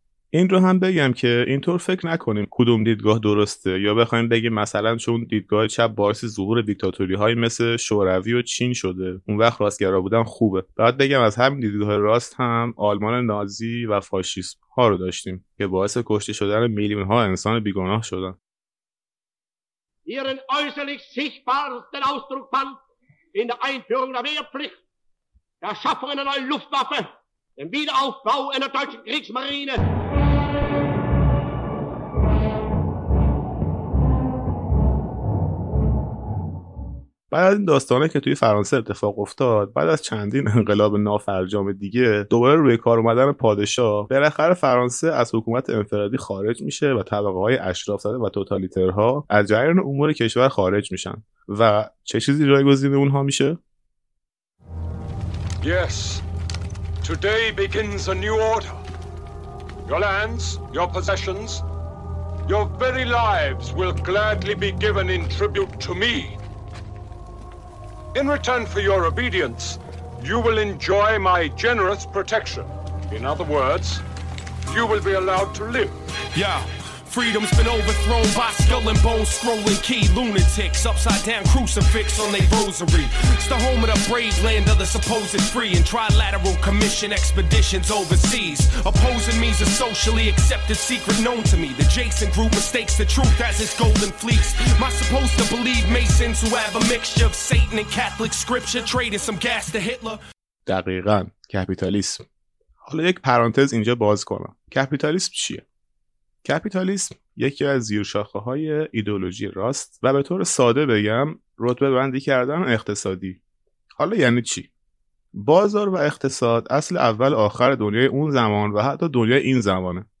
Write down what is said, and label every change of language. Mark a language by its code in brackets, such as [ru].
[fa] این رو هم بگم که اینطور فکر نکنیم کدوم دیدگاه درسته، یا بخوایم بگیم مثلا چون دیدگاه چپ باعث ظهور دیکتاتوری های مثل شوروی و چین شده، اون وقت راستگرا بودن خوبه. باید بگم از همین دیدگاه راست هم آلمان نازی و فاشیسم ها رو داشتیم که باعث کشته شدن میلیون ها انسان بیگناه شدن. [de] Ihren äußerlich sichtbarsten Ausdruck fand in der Einführung der Wehrpflicht, der Schaffung einer neuen Luftwaffe, dem Wiederaufbau einer deutschen Kriegsmarine. [fa] بعد از این داستانه که توی فرانسه اتفاق افتاد، بعد از چندین انقلاب نافرجام دیگه، دوباره روی کار اومدن پادشاه، بالاخره فرانسه از حکومت انفرادی خارج میشه و طبقه های اشراف زاده و توتالیترها از جریان امور کشور خارج میشن. و چه چیزی جایگزین اونها میشه؟ [en] Yes. Today begins a new order. Your lands, your possessions, your very lives will gladly be given in tribute to me. In return for your obedience, you will enjoy my generous protection. In other words, you will be allowed to live. Yeah. freedom's been overthrown by skull and bone scrolling key lunatics, upside down crucifix on they rosary. It's the home of the brave, land of the supposed free, and trilateral commission expeditions overseas. Opposing me's a socially accepted secret known to me. The Jason group mistakes the truth as its golden fleece. Am I supposed to believe Masons who have a mixture of Satan and Catholic scripture trading some gas to Hitler? [fa] دقیقاً کپیتالیسم. حالا یک پرانتز اینجا باز کنم. کپیتالیسم چیه؟ کپیتالیسم یکی از زیرشاخه‌های ایدئولوژی راست و به طور ساده بگم رتبه بندی کردن اقتصادی. حالا یعنی چی؟ بازار و اقتصاد اصل اول آخر دنیای اون زمان و حتی دنیای این زمانه.